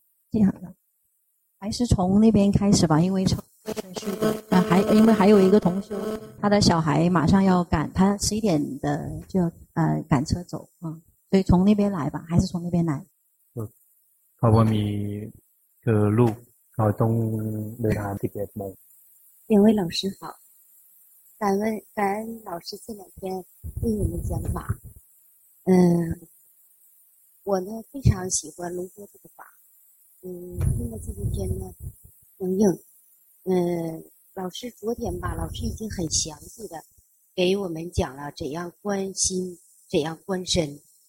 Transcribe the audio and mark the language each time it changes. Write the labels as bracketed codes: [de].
[zh] 这样的还是从那边开始吧因为从顺序的因为还有一个同学他的小孩马上要赶他十一点的就赶车走所以从那边来吧还是从那边来 [th] เพราะว่ามีลูกเราต้องเดินทางที่เจ็ดโมง [zh] 两位老师好感恩老师这两天为我们讲法我呢非常喜欢龙波这个法听了这几天呢能应老师昨天吧老师已经很详细的给我们讲了怎样观心怎样观身